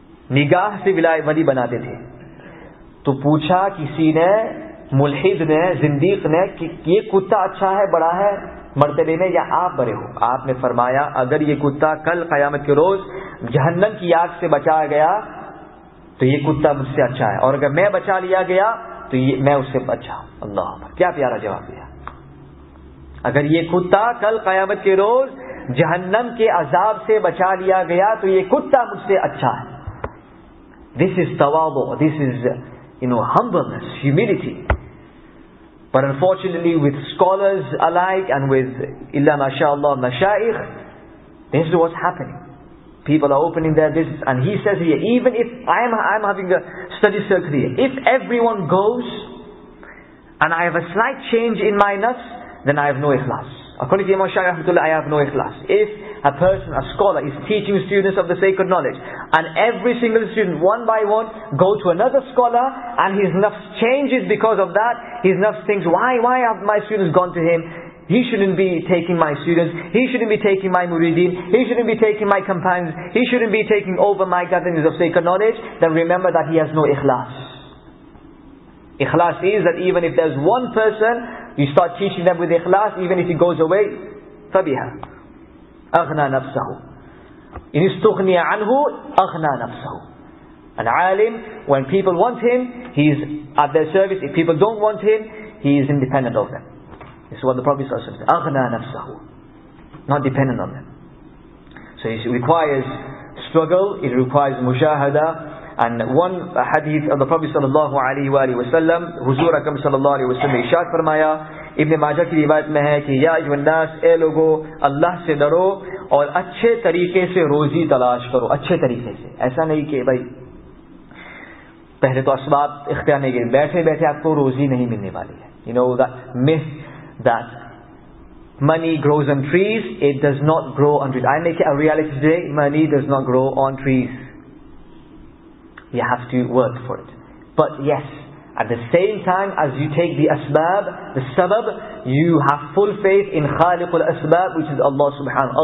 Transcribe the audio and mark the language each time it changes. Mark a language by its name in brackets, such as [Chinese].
[Urdu] نگاہ سے ولائے ولی بناتے تھے. تو پوچھا کسی نے, ملحد نے, زندیق نے, کہ یہ کتا اچھا ہے, بڑا ہے مرتبے میں یا آپ بڑے ہو؟ آپ نے فرمایا, اگر یہ کتا کل قیامت کے روز جہنم کی آگ سے بچا گیا تو یہ کتا مجھ سے اچھا ہے, اور اگر میں بچا لیا گیا تو یہ میں اس سے بچا. اللہ کیا پیارا جواب دیا. اگر یہ کتا کل قیامت کے روز جہنم کے عذاب سے بچا لیا گیا تو یہ کتا مجھ سے اچھا ہے. [English] This is tawadu, this is, you know, humbleness, humility. But unfortunately with scholars alike and with illa mashallah mashayikh, this is what's happening. People are opening their business. And he says here, even if I'm having a study circle here, if everyone goes and I have a slight change in my nafs, then I have no ikhlas. According to Imam Shaykh, I have no ikhlas. If a person, a scholar, is teaching students of the sacred knowledge, and every single student, one by one, go to another scholar, and his nafs changes because of that, his nafs thinks, why have my students gone to him? He shouldn't be taking my students, he shouldn't be taking my muridin, he shouldn't be taking my companions, he shouldn't be taking over my gatherings of sacred knowledge, then remember that he has no ikhlas. Ikhlas is that even if there's one person, you start teaching them with ikhlas, even if he goes away, tabiha. [Arabic] أغنى نفسه إن استغني عنه أغنى نفسه. [English] An alim, when people want him, he is at their service. If people don't want him, he is independent of them. This is what the Prophet says. [Arabic] أغنى نفسه, [English] not dependent on them. So it requires struggle, it requires mujahada. And one hadith of the Prophet [Urdu] sallallahu alaihi wa alihi wa sallam, huzurakam sallallahu alaihi wa sallam, ishaad farmaya, ابن ماجہ کی روایت میں ہے کہ یا ایو الناس, اے لوگو, اللہ سے ڈرو اور اچھے طریقے سے روزی تلاش کرو. اچھے طریقے سے, ایسا نہیں کہ بھائی پہلے تو اسباب اختیار نہیں کیے, بیٹھے بیٹھے آپ کو روزی نہیں ملنے والی ہے. [English] You know that myth that money grows on trees, it does not grow on trees. I make it a reality today, money does not grow on trees. You have to work for it. But yes, at the same time as you take the asbab, the sabab, you have full faith in Khaliqul Asbab, which is Allah subhanahu.